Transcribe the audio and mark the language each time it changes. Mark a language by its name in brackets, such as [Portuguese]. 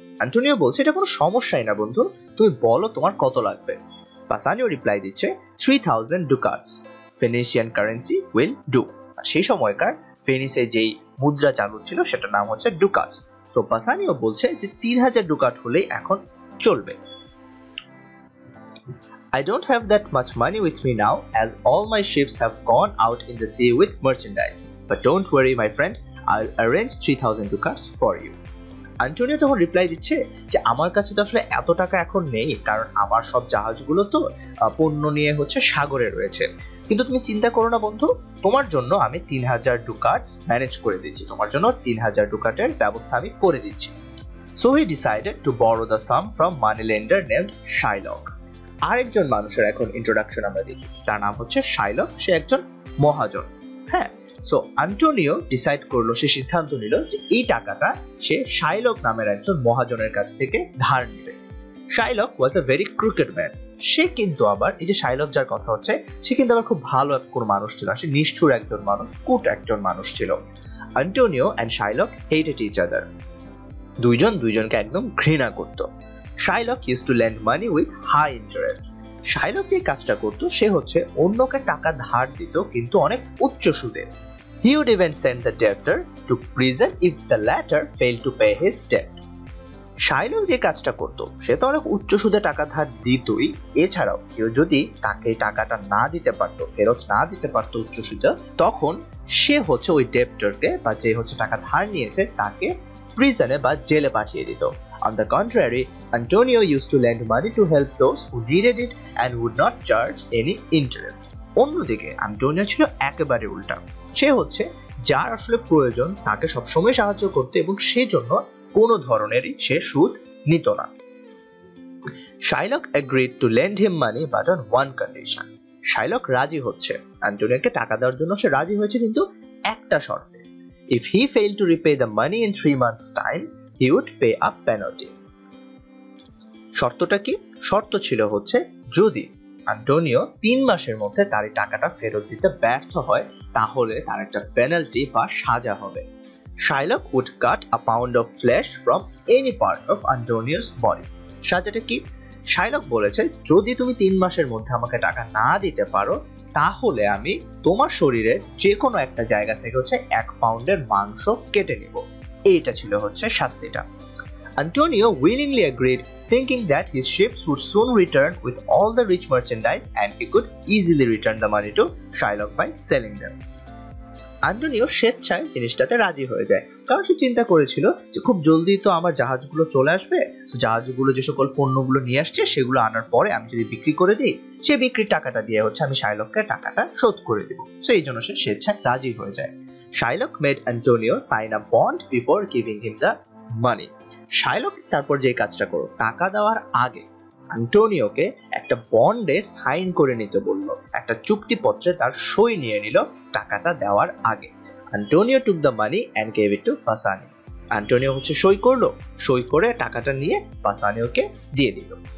[Bangla] Antonio বলছে এটা কোনো সমস্যাই না বন্ধু, তুমি বলো তোমার কত লাগবে। [English] Bassanio reply দিচ্ছে 3,000 ducats, Venetian currency, will do. [Bangla] সেই সময়কার ফেনিসে যেই মুদ্রা চালু ছিল সেটার নাম হচ্ছে ডুকাটস। সো বাসানিও বলছে যে 3,000 ডুকাট হলেই এখন চলবে। [English] I don't have that much money with me now as all my ships have gone out in the sea with merchandise. But don't worry my friend, I'll arrange 3,000 ducats for you. [Bangla] Antonio তখন reply দিচ্ছে যে আমার কাছে তো আসলে এত টাকা এখন নেই কারণ আমার সব জাহাজগুলো তো পণ্য নিয়ে হচ্ছে সাগরে রয়েছে, কিন্তু তুমি চিন্তা করো না বন্ধু, তোমার জন্য আমি 3,000 ducats ম্যানেজ করে দিচ্ছি, তোমার জন্য 3,000 ducats ব্যবস্থা আমি করে দিচ্ছি। [English] So he decided to borrow the sum from money lender named Shylock. [Bangla] আরেকজন মানুষের এখন ইন্ট্রোডাকশন আমরা দেখি, তার নাম হচ্ছে শাইলক, সে একজন মহাজন। হ্যাঁ, সো আন্টোনিও ডিসাইড করলো, সে সিদ্ধান্ত নিল যে এই টাকাটা সে শাইলক নামের একজন মহাজনের কাছ থেকে ধার নেবে। [English] Shylock was a very crooked man, [Bangla] সে কিন্তু আবার এই যে শাইলক যার কথা হচ্ছে সে কিন্তু আবার খুব ভালো কোনো মানুষ ছিল, সে নিষ্ঠুর একজন মানুষ, কুট একজন মানুষ ছিল। [English] Antonio and Shylock hated each other, [Bangla] দুইজন দুইজনকে একদম ঘৃণা করত। [English] Shylock used to lend money with high interest. [Bangla] Shylock যে কাজটা করত সে হচ্ছে অন্যকে টাকা ধার দিত কিন্তু অনেক উচ্চ সুদে। [English] He would even send the debtor to prison if the latter failed to pay his debt. [Bangla] Shylock যে কাজটা করত সে তো অনেক উচ্চ সুদে টাকা ধার দিতই, এছাড়াও কেউ যদি তাকে টাকাটা না দিতে পারতো, ফেরত না দিতে পারতো উচ্চ সুদে, তখন সে হচ্ছে ওই debtorকে বা যে হচ্ছে টাকা ধার নিয়েছে তাকে প্রিজনে বা জেলে পাঠিয়ে দিত। [English] On the contrary, Antonio used to lend money to help those who needed it and would not charge any interest. [Bangla] অন্যদিকে আন্টোনিও ছিল একেবারে উল্টা, সে হচ্ছে যার আসলে প্রয়োজন তাকে সবসময় সাহায্য করত এবং সেজন্য কোনো ধরনেরই সে সুদ নিত না। [English] Shylock agreed to lend him money but on one condition. [Bangla] Shylock রাজি হচ্ছে, আন্টোনিওকে টাকা দেওয়ার জন্য সে রাজি হয়েছে কিন্তু একটা শর্তে। [English] If he failed to repay the money in 3 months time, he would pay a penalty. [Bangla] শর্তটা কি? শর্ত ছিল হচ্ছে যদি আন্টোনিও 3 মাসের মধ্যে তার এই টাকাটা ফেরত দিতে ব্যর্থ হয় তাহলে তার একটা পেনাল্টি বা সাজা হবে। [English] Shylock would cut a pound of flesh from any part of Antonio's body. [Bangla] সাজাটা কি? শাইলক বলেছে, যদি তুমি 3 মাসের মধ্যে আমাকে টাকা না দিতে পারো তাহলে আমি তোমার শরীরের যে কোনো একটা জায়গা থেকে হচ্ছে 1 পাউন্ডের মাংস কেটে নিব। এইটা ছিল হচ্ছে শাস্তিটা। [English] Antonio willingly agreed, thinking that his ships would soon return with all the rich merchandise and he could easily return the money to Shylock by selling them. [Bangla] Antonio স্বেচ্ছায় জিনিসটাতে রাজি হয়ে যায়, কারণ সে চিন্তা করেছিল যে খুব জলদি তো আমার জাহাজগুলো চলে আসবে, জাহাজগুলো যে সকল পণ্যগুলো নিয়ে আসছে সেগুলো আনার পরে আমি যদি বিক্রি করে দিই সে বিক্রির টাকাটা দিয়ে হচ্ছে আমি শাইলককে টাকাটা শোধ করে দেবো। সো এই জন্য সে স্বেচ্ছায় রাজি হয়ে যায়। [English] Shylock made Antonio sign a bond before giving him the money. [Bangla] Shylock তারপর যে কাজটা করো, টাকা দেওয়ার আগে আন্টোনিওকে একটা বন্ডে সাইন করে নিতে বলল, একটা চুক্তিপত্রে তার সই নিয়ে নিল টাকাটা দেওয়ার আগে। [English] Antonio took the money and gave it to Bassanio. [Bangla] Antonio হচ্ছে সই করলো, সই করে টাকাটা নিয়ে বাসানিওকে দিয়ে দিল।